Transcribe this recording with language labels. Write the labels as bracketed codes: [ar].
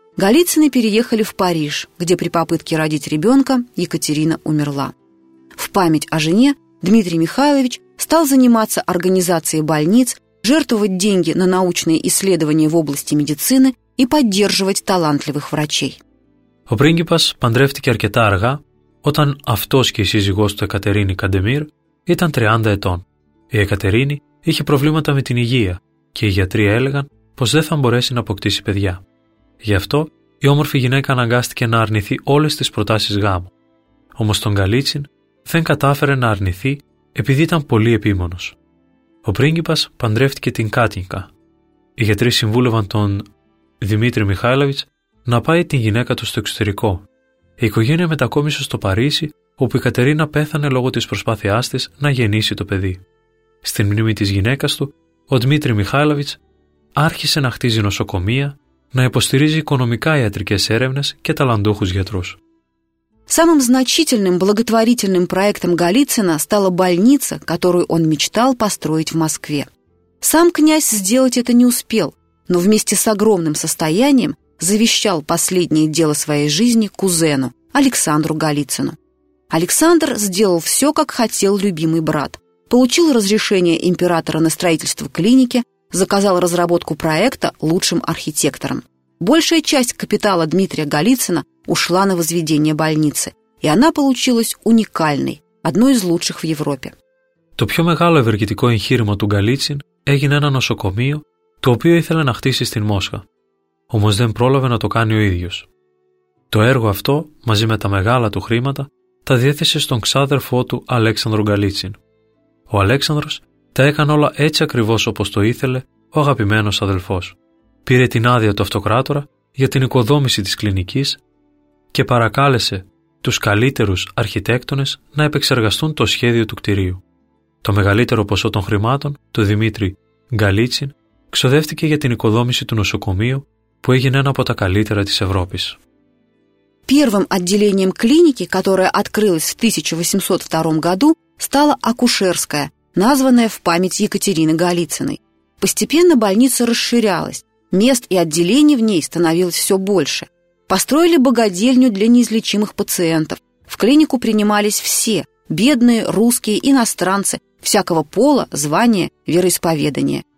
[ru] Голицыны переехали в Париж, где при попытке родить ребенка Екатерина умерла. В память о жене Дмитрий Михайлович стал заниматься организацией больниц, жертвовать деньги на научные исследования в области медицины и поддерживать талантливых врачей. [el] Ο πρίγκιπας παντρεύτηκε αρκετά αργά, όταν αυτός και η σύζυγός του Εκατερίνη Καντεμίρ ήταν 30 ετών. Η Εκατερίνη είχε προβλήματα με την υγεία και οι γιατροί έλεγαν πως δεν θα μπορέσει να αποκτήσει παιδιά. Γι' αυτό η όμορφη γυναίκα αναγκάστηκε να αρνηθεί όλες τις προτάσεις γάμου. Όμως τον Γκαλίτσιν δεν κατάφερε να αρνηθεί επειδή ήταν πολύ επίμονος. Ο πρίγκιπας παντρεύτηκε την Κάτινκα. Οι γιατροί συμβούλευαν τον Δημήτρη Μιχάηλοβιτς να πάει την γυναίκα του στο εξωτερικό. Η οικογένεια μετακόμισε στο Παρίσι, όπου η Κατερίνα πέθανε λόγω της προσπάθειάς της να γεννήσει το παιδί. Στην μνήμη της γυναίκας του, ο Δημήτρη Μιχάηλοβιτς άρχισε να χτίζει νοσοκομεία, να υποστηρίζει οικονομικά ιατρικές έρευνες και ταλαντούχους γιατρούς. [ru] Самым значительным благотворительным проектом Голицына стала больница, которую он мечтал построить в Москве. Сам князь сделать это не успел, но вместе с огромным состоянием завещал последнее дело своей жизни кузену, Александру Голицыну. Александр сделал все, как хотел любимый брат. Получил разрешение императора на строительство клиники, заказал разработку проекта лучшим архитекторам. Большая часть капитала Дмитрия Голицына ушла на возведение больницы, и она получилась уникальной, одной из лучших в Европе. [el] Το πιο μεγάλο ευεργετικό εγχείρημα του Γκαλίτσιν έγινε ένα νοσοκομείο, το οποίο ήθελε να χτίσει στην Μόσχα. Όμως δεν πρόλαβε να το κάνει ο ίδιος. Το έργο αυτό, μαζί με τα μεγάλα του χρήματα, τα διέθεσε στον ξάδερφό του Αλέξανδρο Γκαλίτσιν. Ο Αλέξανδρος τα έκανε όλα έτσι ακριβώς όπως το ήθελε ο αγαπημένος αδελφός. Πήρε την άδεια του αυτοκράτορα για την οικοδόμηση της κλινικής και παρακάλεσε τους καλύτερους αρχιτέκτονες να επεξεργαστούν το σχέδιο του κτηρίου. Το μεγαλύτερο ποσό των χρημάτων, του Δημήτρη Γκαλίτσιν, ξοδεύτηκε για την οικοδόμηση του νοσοκομείου, που έγινε ένα από τα καλύτερα της Ευρώπης. [ru] Первым отделением клиники, которое открылось в 1802 году, стала акушерская, названная в память Екатерины Голицыной. Постепенно больница расширялась, мест и отделений в ней становилось все больше. Построили богадельню для неизлечимых пациентов. В клинику принимались все – бедные, русские, иностранцы, всякого пола, звания, вероисповедания.